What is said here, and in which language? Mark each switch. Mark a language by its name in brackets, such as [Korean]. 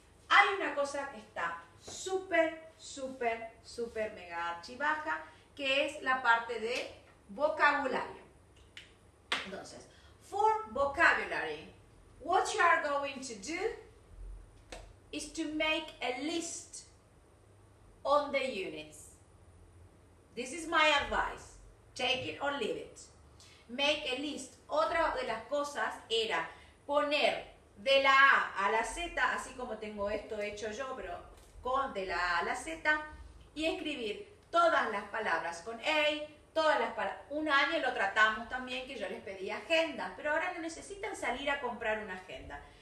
[Spanish] Hay una cosa que está súper, súper, súper mega archibaja, que es la parte de vocabulario. [English] Entonces, for vocabulary, what you are going to do is to make a list on the units. This is my advice, take it or leave it. Make a list. [Spanish] Otra de las cosas era poner de la A a la Z, así como tengo esto hecho yo, pero con de la A a la Z, y escribir todas las palabras con A, todas las palabras. Un año lo tratamos también, que yo les pedí agendas, pero ahora no necesitan salir a comprar una agenda.